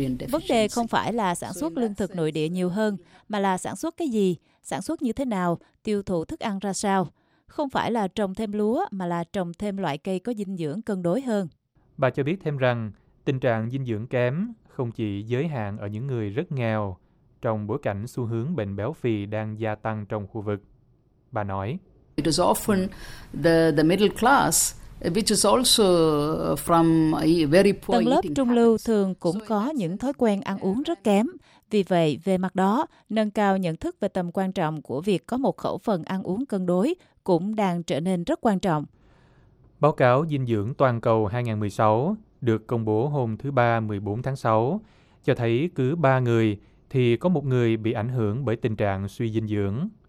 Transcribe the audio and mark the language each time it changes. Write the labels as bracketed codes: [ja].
[vi] vấn đề không phải là sản xuất lương thực nội địa nhiều hơn, mà là sản xuất cái gì, sản xuất như thế nào, tiêu thụ thức ăn ra sao. Không phải là trồng thêm lúa, mà là trồng thêm loại cây có dinh dưỡng cân đối hơn. Bà cho biết thêm rằng, tình trạng dinh dưỡng kém không chỉ giới hạn ở những người rất nghèo, trong bối cảnh xu hướng bệnh béo phì đang gia tăng trong khu vực. Bà nói, [en] it is often the middle class, which is also from a very poor [vi] tầng lớp trung lưu thường cũng có những thói quen ăn uống rất kém. Vì vậy, về mặt đó, nâng cao nhận thức về tầm quan trọng của việc có một khẩu phần ăn uống cân đối cũng đang trở nên rất quan trọng. Báo cáo Dinh dưỡng Toàn cầu 2016 được công bố hôm thứ Ba 14 tháng 6 cho thấy cứ 3 người thì có một người bị ảnh hưởng bởi tình trạng suy dinh dưỡng.